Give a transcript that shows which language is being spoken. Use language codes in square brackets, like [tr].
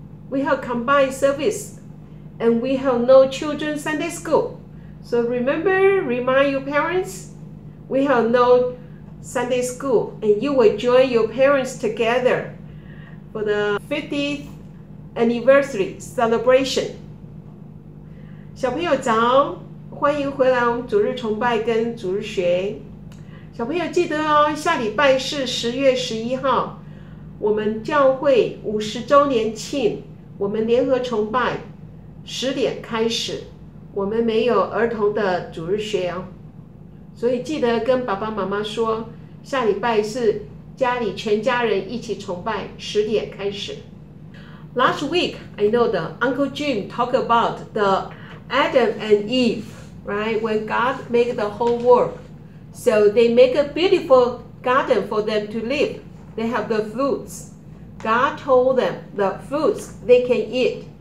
[en] We have combined service and we have no children Sunday school. So remember, remind your parents, we have no Sunday school and you will join your parents together for the 50th anniversary celebration. [zh] 小朋友早，欢迎回来我们主日崇拜跟主日学。小朋友记得哦，下礼拜是10月11号，我们教会50周年庆，我们联合崇拜10点开始，我们没有儿童的主日学哦。所以记得跟爸爸妈妈说，下礼拜是家里全家人一起崇拜，10点开始。 [en] Last week, I know the Uncle Jim talk about theAdam and Eve, right? When God made the whole world. So they make a beautiful garden for them to live. They have the fruits. God told them the fruits they can eat.